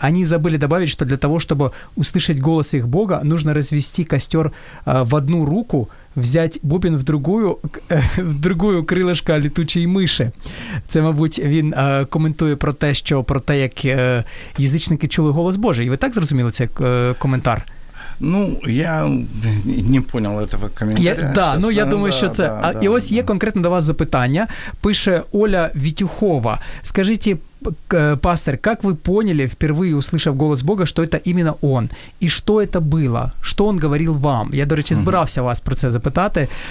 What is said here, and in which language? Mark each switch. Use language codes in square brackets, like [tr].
[uk] Вони забули додати, що для того, щоб услышати голос їх Бога, потрібно розвести костер в одну руку, [ru] взять бубен в другую крилышко летучей мыши. [uk] Це, мабуть, він коментує про те, що про те, як язичники чули голос Божий. Ви так зрозуміли цей коментар? [ru] Ну, я не понял этого комментария. [uk] Да, я думаю, що це. І ось є конкретно до вас запитання. Пише Оля Вітюхова. [ru] Скажите, пастор, как вы поняли, впервые услышав голос Бога, что это именно Он? И что это было? Что Он говорил вам? [uk] Я, до речі, збирався вас про це запитати.